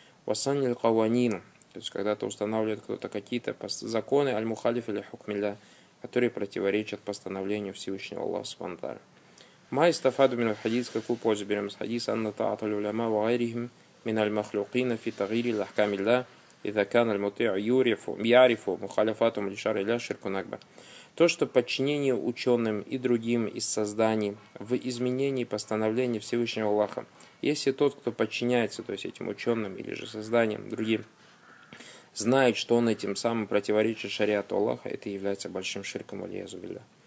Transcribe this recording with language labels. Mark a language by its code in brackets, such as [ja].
[ar] Васанил каванину. [ru] То есть, когда-то устанавливает кто-то какие-то законы, аль-мухалиф или хукмилля, которые противоречат постановлению Всевышнего Аллаха Субхану. [ar] Май стафаду мин аль-хадис, [ru] какую пользу берем из хадиса, [ar] анна таату аль-уляма ва айрихим мин аль-махлюкина фи тагири ль-ахкамилля, إذا كان المطيع يعرف مخالفاته للشرع لا شرك نكبة. [ru] То, что подчинение ученым и другим из созданий в изменении постановления Всевышнего Аллаха. Если тот, кто подчиняется, то есть этим ученым или же созданиям другим, знает, что он этим самым противоречит шариату Аллаха, это является большим ширком алиязубилля.